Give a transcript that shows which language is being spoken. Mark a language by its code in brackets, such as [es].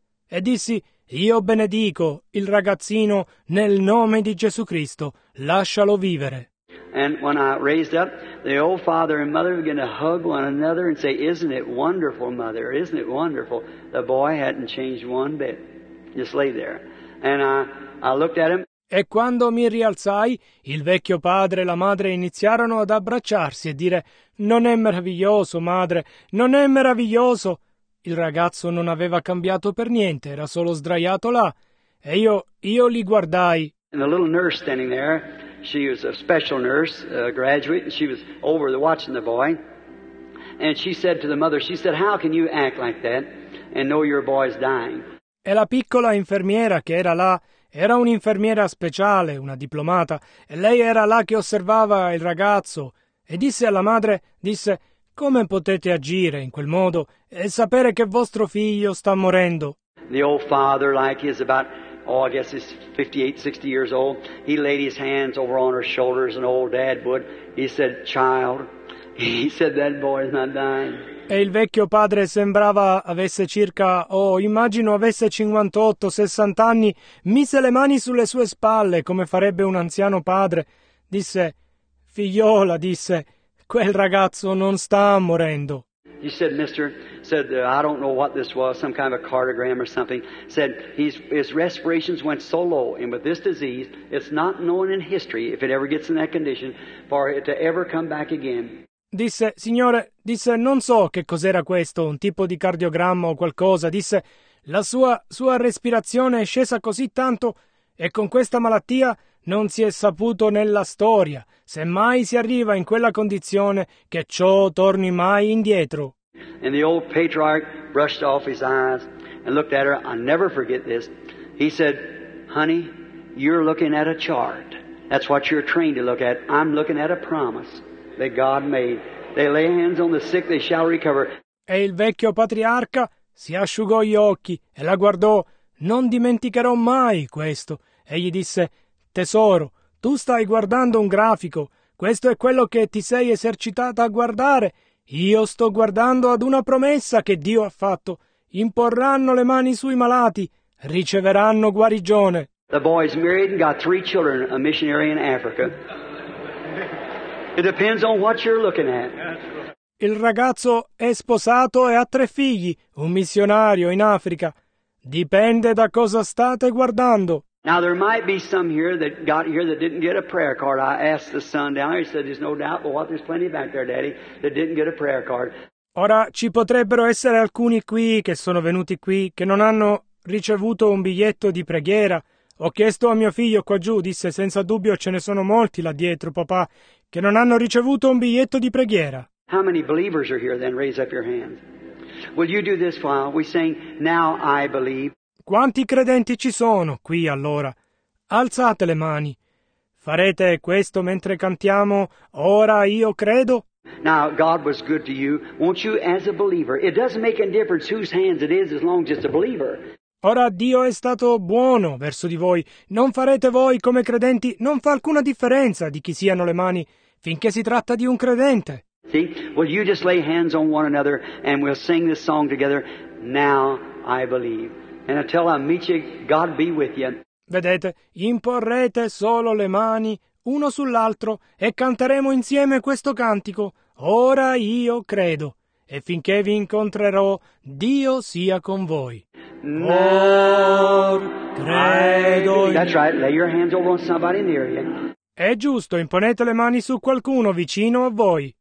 [it] E dissi, io benedico il ragazzino nel nome di Gesù Cristo. Lascialo vivere. [en] And when I raised up, the old father and mother began to hug one another and say, isn't it wonderful, mother? Isn't it wonderful? The boy hadn't changed one bit. Just lay there. And I looked at him. [it] E quando mi rialzai, il vecchio padre e la madre iniziarono ad abbracciarsi e dire, non è meraviglioso, madre, non è meraviglioso. Il ragazzo non aveva cambiato per niente, era solo sdraiato là. E io li guardai. [en] And the little nurse standing there, she was a special nurse, a graduate, and she was over there watching the boy. And she said to the mother, she said, how can you act like that and know your boy's dying? [it] E la piccola infermiera che era là, era un'infermiera speciale, una diplomata, e lei era là che osservava il ragazzo, e disse alla madre, disse, come potete agire in quel modo e sapere che vostro figlio sta morendo? [en] The old father, like he's about, oh, I guess he's 58, 60 years old, he laid his hands over on her shoulders, an old dad would, he said, child, he said, that boy is not dying. [it] E il vecchio padre sembrava avesse circa, immagino avesse 58, 60 anni, mise le mani sulle sue spalle come farebbe un anziano padre. Disse, figliola, disse, quel ragazzo non sta morendo. [en] He said, mister, said, I don't know what this was, some kind of a cardiogram or something, said, his respirations went so low, and with this disease, it's not known in history, if it ever gets in that condition, for it to ever come back again. [it] Disse, signore, disse, non so che cos'era questo, un tipo di cardiogramma o qualcosa, disse, la sua respirazione è scesa così tanto e con questa malattia non si è saputo nella storia, se mai si arriva in quella condizione che ciò torni mai indietro. [en] And the old patriarch brushed off his eyes and looked at her, I'll never forget this, he said, honey, you're looking at a chart, that's what you're trained to look at, I'm looking at a promise that God made. They lay hands on the sick, they shall recover. [it] E il vecchio patriarca si asciugò gli occhi e la guardò. Non dimenticherò mai questo. E gli disse, tesoro, tu stai guardando un grafico. Questo è quello che ti sei esercitata a guardare. Io sto guardando ad una promessa che Dio ha fatto. Imporranno le mani sui malati. Riceveranno guarigione. [en] The boy's married and got three children, a missionary in Africa. It depends on what you're looking at. [it] Il ragazzo è sposato e ha tre figli, un missionario in Africa. Dipende da cosa state guardando. [en] Now there might be some here that got here that didn't get a prayer card. I asked the son down there, he said there's no doubt but what there's plenty back there, daddy, that didn't get a prayer card. [it] Ora ci potrebbero essere alcuni qui che sono venuti qui che non hanno ricevuto un biglietto di preghiera. Ho chiesto a mio figlio qua giù, disse, senza dubbio ce ne sono molti là dietro, papà, che non hanno ricevuto un biglietto di preghiera. [en] How many believers are here then? Raise up your hands. Will you do this while we sing, now I believe? [it] Quanti credenti ci sono qui allora? Alzate le mani. Farete questo mentre cantiamo, ora io credo? [en] Now, God was good to you. Won't you, as a believer, it doesn't make any difference whose hands it is as long as it's a believer. [it] Ora Dio è stato buono verso di voi. Non farete voi come credenti, non fa alcuna differenza di chi siano le mani, finché si tratta di un credente. [en] See, will you just lay hands on one another and we'll sing this song together, now I believe. And until I meet you, God be with you. [it] Vedete, imporrete solo le mani uno sull'altro e canteremo insieme questo cantico. Ora io credo, e finché vi incontrerò, Dio sia con voi. Or credo in... [en] That's right, lay your hands over somebody near you. [it] È giusto, imponete le mani su qualcuno vicino a voi.